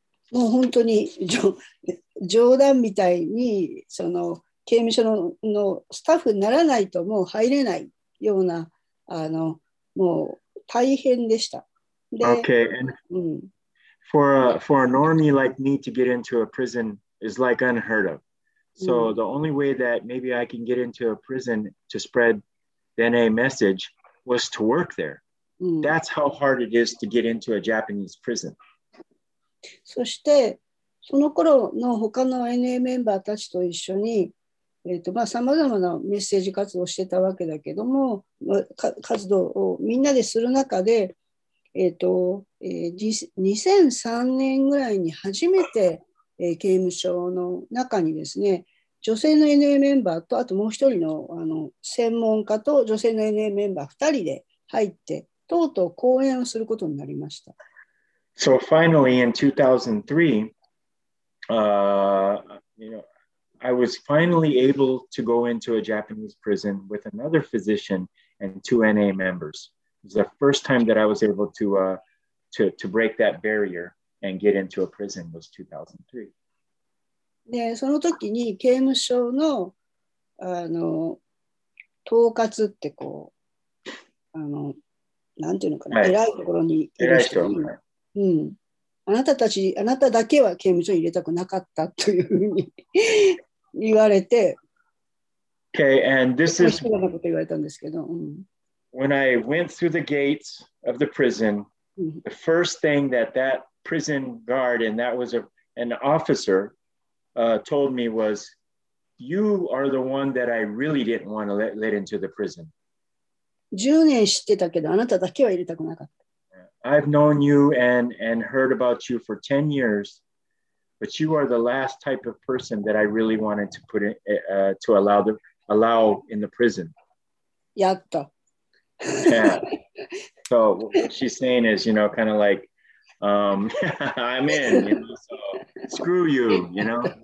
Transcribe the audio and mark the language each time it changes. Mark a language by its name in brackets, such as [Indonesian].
[Japanese] もう本当に冗談みたいにその刑務所 のスタッフにならないともう入れないようなあのもう大変でした。で、 [English] okay. And for a normie like me to get into a prison is like unheard of. So the only way that maybe I can get into a prison to spread the NA message was to work there. That's how hard it is to get into a Japanese prison. [Japanese] そしてその頃の他の NA メンバーたちと一緒に、まあ、さまざまなメッセージ活動をしてたわけだけども、活動をみんなでする中で、2003年ぐらいに初めて刑務所の中にですね、女性の NA メンバーと、あともう一人 の専門家と女性の NA メンバー2人で入って、とうとう講演をすることになりました。 [English] So finally in 2003, you know, I was finally able to go into a Japanese prison with another physician and two NA members. It was the first time that I was able to break that barrier. And get into a prison was 2003. [Japanese] で、その時に刑務所の、あの、統括ってこう、あの、なんていうのかな、偉いところにいる人に、偉い人、うん、あなただけは刑務所に入れたくなかったというふうに言われて、 [English] okay, and this is, [Japanese] 人のこと言われたんですけど、うん、 [English] when I went through the gates of the prison, the first thing that prison guard and that was an officer told me was you are the one that I really didn't want to let into the prison. [Japanese] 10年知ってたけどあなただけは入れたくなかった。 [English] I've known you and heard about you for 10 years but you are the last type of person that I really wanted to put in, to allow in the prison. [Japanese] やっと。 [English] Yeah. So what she's saying is, you know, kind of likeI'm in, you know, so screw you, you know?